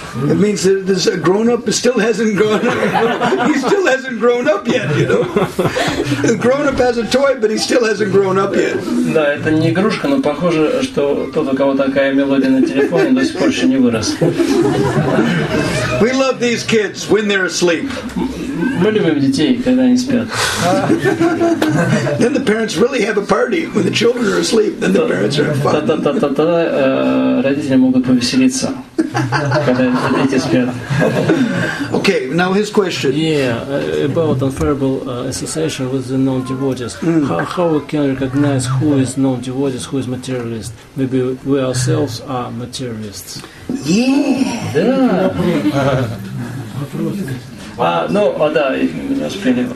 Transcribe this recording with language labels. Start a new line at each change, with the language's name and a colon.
English: It means that this grown-up still hasn't grown up. He still hasn't grown up yet, you know. The grown-up has a toy, but he still hasn't grown up yet.
Russian: Да, это не игрушка, но похоже, что тот, у кого такая мелодия на телефоне, до сих пор еще не вырос.
English: We love these kids when they're asleep.
Russian: Мы любим детей, когда они спят.
English: Then the parents really have a party when the children are asleep. Then the parents are fun.
Russian: Тогда родители могут повеселиться, когда дети спят.
English: Okay, now his question. Yeah, about unfavorable association with the non-devotees. Mm. How we can recognize who is non-devotees, who is materialist? Maybe we ourselves are materialists. Yeah.
Russian: Да.